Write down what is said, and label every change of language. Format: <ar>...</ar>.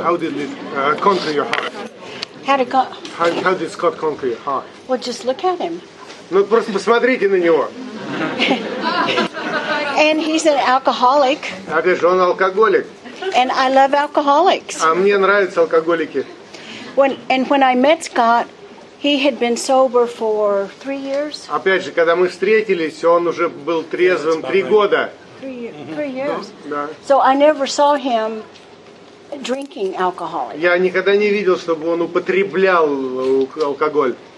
<en>How did it conquer your heart? How did Scott conquer your heart? Well, just look at him.</en> <ru>Ну просто посмотрите на него.</ru> <en>And he's an alcoholic.</en> <ru>А ты же он алкоголик.</ru> <en>And I love alcoholics.</en> <ru>А мне нравятся алкоголики.</ru> <en>When I met Scott, he had been sober for 3 years.</en> <ru>Опять же, когда мы встретились, он уже был трезвым 3 года.</ru> <en>Three years. So I never saw him drinking alcohol.</en> <ru>Я никогда не видел, чтобы он употреблял алкоголь.</ru>